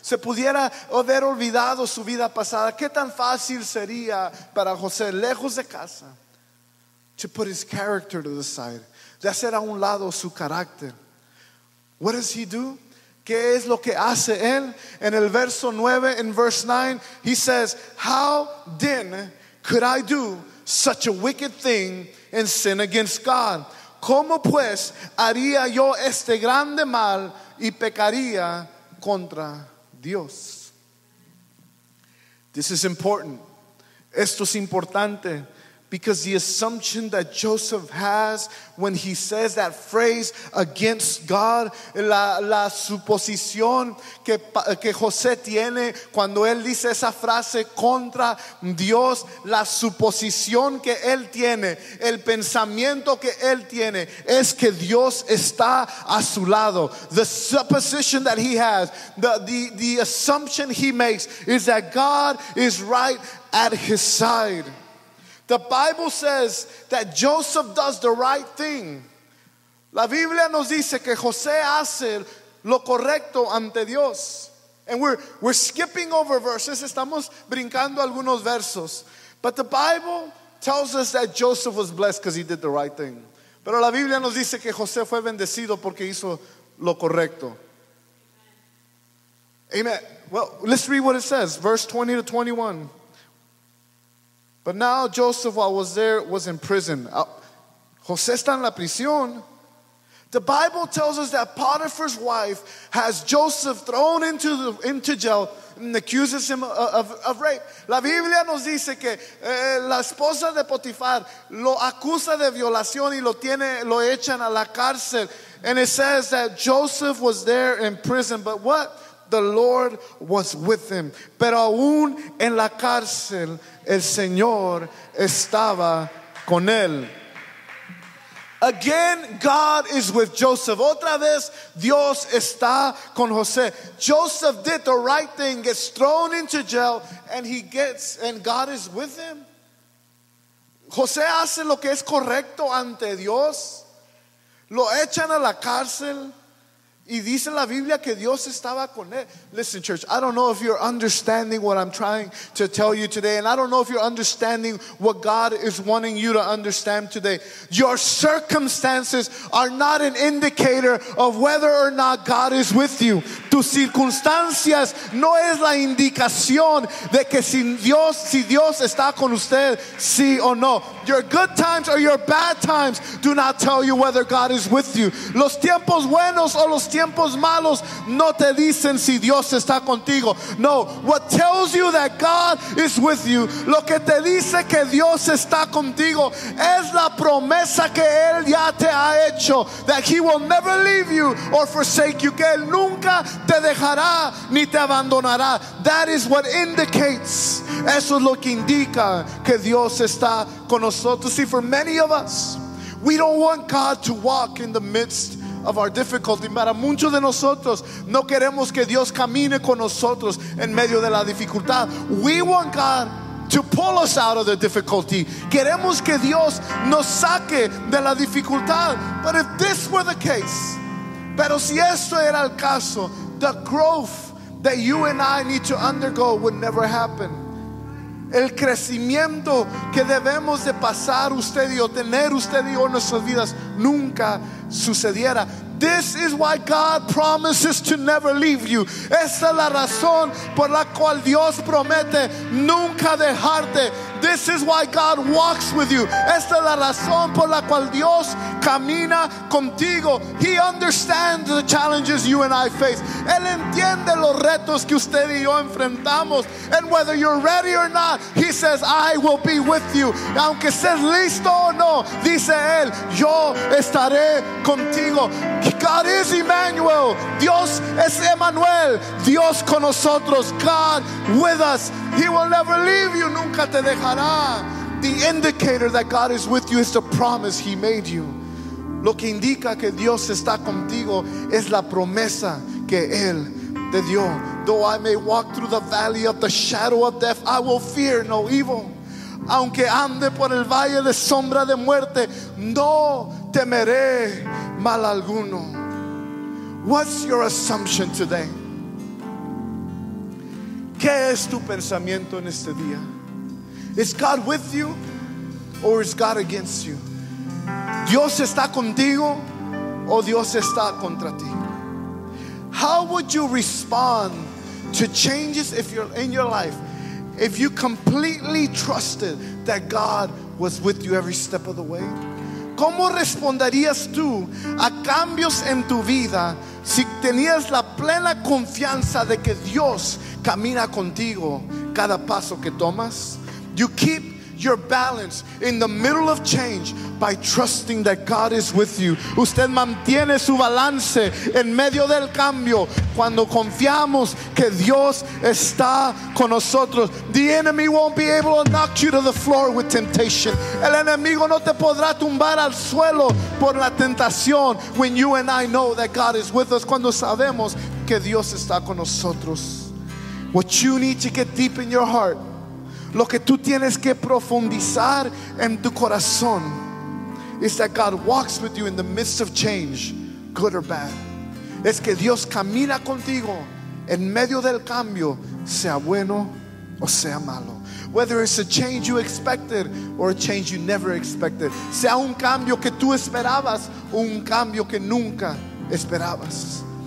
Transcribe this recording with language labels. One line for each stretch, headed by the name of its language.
Spanish: Se pudiera haber olvidado su vida pasada. ¿Qué tan fácil sería para José, lejos de casa,
English: to put his character to the side?
Spanish: De hacer a un lado su carácter.
English: What does he do?
Spanish: ¿Qué es lo que hace él? En el verso 9,
English: in verse 9, he says, how then could I do such a wicked thing and sin against God?
Spanish: ¿Cómo pues haría yo este grande mal y pecaría contra Dios?
English: This is important.
Spanish: Esto es importante.
English: Because the assumption that Joseph has when he says that phrase against God,
Spanish: la suposición que José tiene cuando él dice esa frase contra Dios, la suposición que él tiene, el pensamiento que él tiene, es que Dios está a su lado.
English: The supposition that he has, the assumption he makes is that God is right at his side. The Bible says that Joseph does the right thing.
Spanish: La Biblia nos dice que José hace lo correcto ante Dios.
English: And we're skipping over verses.
Spanish: Estamos brincando algunos versos.
English: But the Bible tells us that Joseph was blessed because he did the right thing.
Spanish: Pero la Biblia nos dice que José fue bendecido porque hizo lo correcto.
English: Amen. Well, let's read what it says. Verse 20 to 21. But now Joseph, while was there, was in prison.
Spanish: José está en la prisión.
English: The Bible tells us that Potiphar's wife has Joseph thrown into jail and accuses him of rape.
Spanish: La Biblia nos dice que la esposa de Potifar lo acusa de violación y lo echan a la cárcel.
English: And it says that Joseph was there in prison. But what? The Lord was with him.
Spanish: Pero aún en la cárcel, el Señor estaba con él.
English: Again, God is with Joseph.
Spanish: Otra vez, Dios está con José.
English: Joseph did the right thing, gets thrown into jail, and he gets, and God is with him.
Spanish: José hace lo que es correcto ante Dios. Lo echan a la cárcel. Y dice la Biblia que Dios estaba con él.
English: Listen, church, I don't know if you're understanding what I'm trying to tell you today, and I don't know if you're understanding what God is wanting you to understand today. Your circumstances are not an indicator of whether or not God is with you.
Spanish: Tus circunstancias no es la indicación de que si Dios está con usted, sí o no.
English: Your good times or your bad times do not tell you whether God is with you.
Spanish: Los tiempos buenos o los tiempos malos no te dicen si Dios está contigo.
English: No, what tells you that God is with you,
Spanish: lo que te dice que Dios está contigo, es la promesa que Él ya te ha hecho,
English: that He will never leave you or forsake you,
Spanish: que Él nunca te dejará ni te abandonará.
English: That is what indicates,
Spanish: eso es lo que indica que Dios está con nosotros.
English: See, for many of us, we don't want God to walk in the midst of our difficulty.
Spanish: Para muchos de nosotros, no queremos que Dios camine con nosotros en medio de la dificultad.
English: We want God to pull us out of the difficulty.
Spanish: Queremos que Dios nos saque de la dificultad.
English: But if this were the case,
Spanish: pero si esto era el caso,
English: the growth that you and I need to undergo would never happen.
Spanish: El crecimiento que debemos de pasar usted y yo, tener usted y yo en nuestras vidas, nunca sucediera.
English: This is why God promises to never leave you.
Spanish: Esa es la razón por la cual Dios promete nunca dejarte.
English: This is why God walks with you.
Spanish: Esta es la razón por la cual Dios camina contigo.
English: He understands the challenges you and I face.
Spanish: Él entiende los retos que usted y yo enfrentamos.
English: And whether you're ready or not, he says, I will be with you.
Spanish: Aunque estés listo o no, dice Él, yo estaré contigo.
English: God is Emmanuel.
Spanish: Dios es Emmanuel. Dios con nosotros.
English: God with us. He will never leave you.
Spanish: Nunca te dejará.
English: The indicator that God is with you is the promise he made you.
Spanish: Lo que indica que Dios está contigo es la promesa que Él te dio.
English: Though I may walk through the valley of the shadow of death, I will fear no evil.
Spanish: Aunque ande por el valle de sombra de muerte, no temeré mal alguno.
English: What's your assumption today?
Spanish: ¿Qué es tu pensamiento en este día?
English: Is God with you or is God against you?
Spanish: ¿Dios está contigo o Dios está contra ti?
English: How would you respond to changes if you're in your life if you completely trusted that God was with you every step of the way?
Spanish: ¿Cómo responderías tú a cambios en tu vida si tenías la plena confianza de que Dios camina contigo cada paso que tomas?
English: You keep your balance in the middle of change by trusting that God is with you.
Spanish: Usted mantiene su balance en medio del cambio cuando confiamos que Dios está con nosotros.
English: The enemy won't be able to knock you to the floor with temptation.
Spanish: El enemigo no te podrá tumbar al suelo por la tentación
English: when you and I know that God is with us.
Spanish: Cuando sabemos que Dios está con nosotros.
English: What you need to get deep in your heart,
Spanish: lo que tú tienes que profundizar en tu corazón,
English: is that God walks with you in the midst of change, good or bad.
Spanish: Es que Dios camina contigo en medio del cambio, sea bueno o sea malo.
English: Whether it's a change you expected or a change you never expected.
Spanish: Sea un cambio que tú esperabas o un cambio que nunca esperabas.